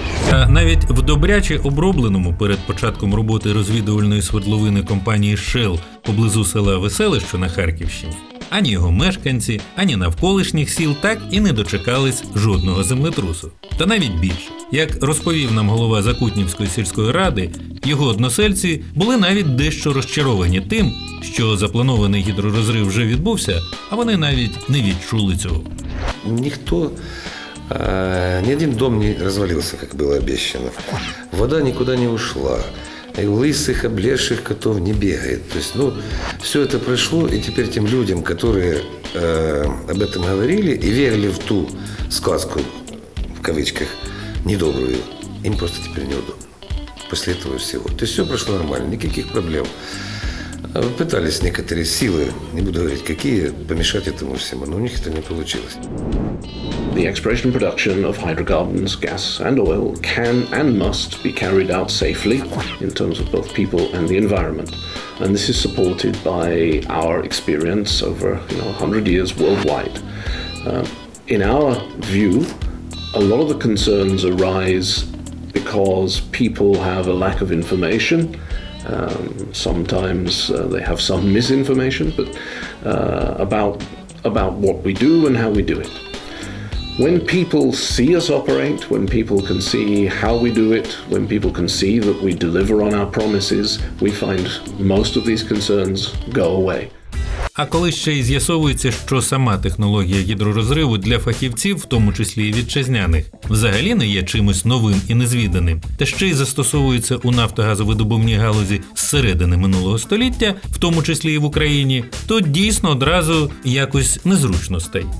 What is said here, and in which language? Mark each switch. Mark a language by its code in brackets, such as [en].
[uk] А навіть в добряче обробленому перед початком роботи розвідувальної свердловини компанії «Shell» поблизу села Веселище на Харківщині, ані його мешканці, ані навколишніх сіл так і не дочекались жодного землетрусу. Та навіть більше. Як розповів нам голова Закутнівської сільської ради, його односельці були навіть дещо розчаровані тим, що запланований гідророзрив вже відбувся, а вони навіть не відчули цього. Ніхто... [ru] Ни один дом не развалился, как было обещано. Вода никуда не ушла. И у лысых, облезших котов не бегает. То есть, ну, все это прошло, и теперь тем людям, которые об этом говорили и верили в ту сказку, в кавычках, недобрую, им просто теперь неудобно. После этого всего. То есть все прошло нормально, никаких проблем. Пытались некоторые силы, не буду говорить какие, помешать этому всему, но у них это не получилось. [en] The exploration production of hydrocarbons, gas and oil can and must be carried out safely in terms of both people and the environment. And this is supported by our experience over, you know, 100 years worldwide. In our view, a lot of the concerns arise because people have a lack of information. Sometimes they have some misinformation, but about what we do and how we do it. When people see us operate, when people can see how we do it, when people can see that we deliver on our promises, we find most of these concerns go away. [uk] А коли ще й з'ясовується, що сама технологія гідророзриву для фахівців, в тому числі і вітчизняних, взагалі не є чимось новим і незвіданим, та ще й застосовується у нафтогазовидобувній галузі з середини минулого століття, в тому числі і в Україні, то дійсно одразу якось незручно стає.